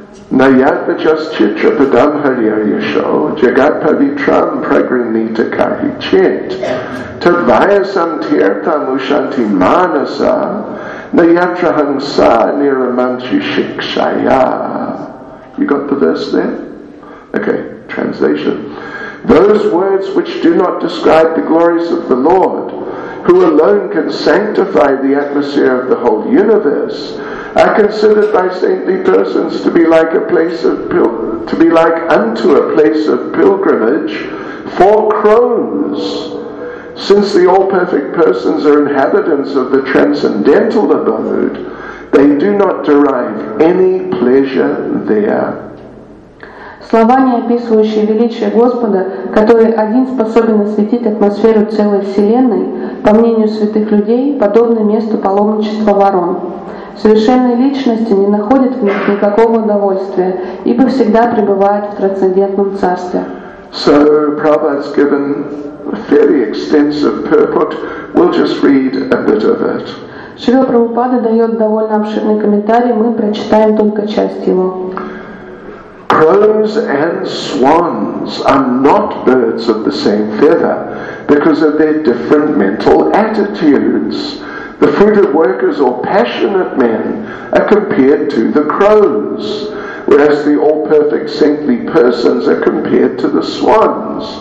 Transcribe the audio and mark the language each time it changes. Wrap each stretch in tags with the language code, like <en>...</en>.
<sa>Наядвачас читрападам харьяришо, джагатпавитрам прагринита кахичит, тадвайасам тиртам ушанти манаса, Nayatra hangsa niramanchi shikshaya.</sa> <en>You got the verse there? Okay, translation. Those words which do not describe the glories of the Lord, who alone can sanctify the atmosphere of the whole universe, are considered by saintly persons to be like a place of unto a place of pilgrimage for crows. Since the all-perfect persons are inhabitants of the transcendental abode, they do not derive any pleasure there.</en> <ru>Слова, не описывающие величие Господа, который один способен осветить атмосферу целой вселенной, по мнению святых людей, подобны месту паломничества ворон. Совершенные личности не находят в них никакого удовольствия, ибо всегда пребывают в трансцендентном царстве.</ru> <en>So, Prabhupada's given a fairly extensive purport. We'll just read a bit of it.</en> <ru>Шрила Прабхупада дает довольно обширный комментарий, мы прочитаем только часть его.</ru> <en>Crows and swans are not birds of the same feather because of their different mental attitudes. The fruit of workers or passionate men are compared to the crows, whereas the all-perfect saintly persons are compared to the swans.</en>